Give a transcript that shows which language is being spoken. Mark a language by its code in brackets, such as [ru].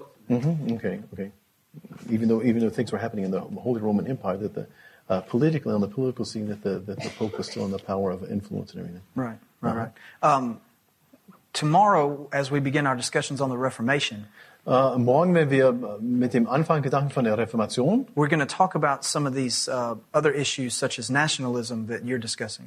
[en] Mm-hmm. Okay. Even though things were happening in the Holy Roman Empire, that the politically on the political scene, that the Pope was still in the power of influence and everything. Right. Tomorrow, as we begin our discussions on the Reformation. [de] Morgen, wenn wir mit dem Anfang Gedanken von der Reformation, [en] we're going to talk about some of these other issues, such as nationalism, that you're discussing.